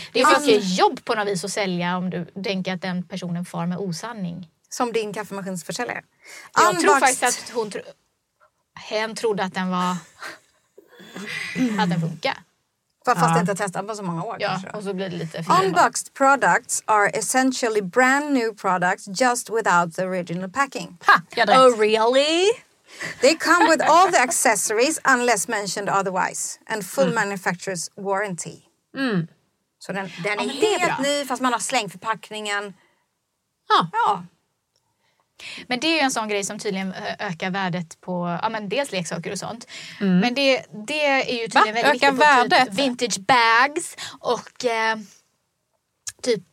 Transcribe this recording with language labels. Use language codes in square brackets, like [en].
[sv] Det är ju mycket jobb på något vis att sälja om du tänker att den personen far med osanning. Som din kaffemaskinsförsäljare. Jag unboxed. Tror faktiskt att hon... Hen trodde att den var... att den funkar. Fast inte testat på så många år. Ja, och så blir det lite fel. [en] Unboxed products are essentially brand new products just without the original packing. [sv] Ha, jag [en] oh, really? They come with all the accessories unless mentioned otherwise. And full manufacturer's warranty. Mm. [sv] Så den är helt ny fast man har slängt förpackningen. Ja. Men det är ju en sån grej som tydligen ökar värdet på, ja men dels leksaker och sånt. Mm. Men det är ju tydligen väldigt ökar värdet. Typ vintage bags och typ...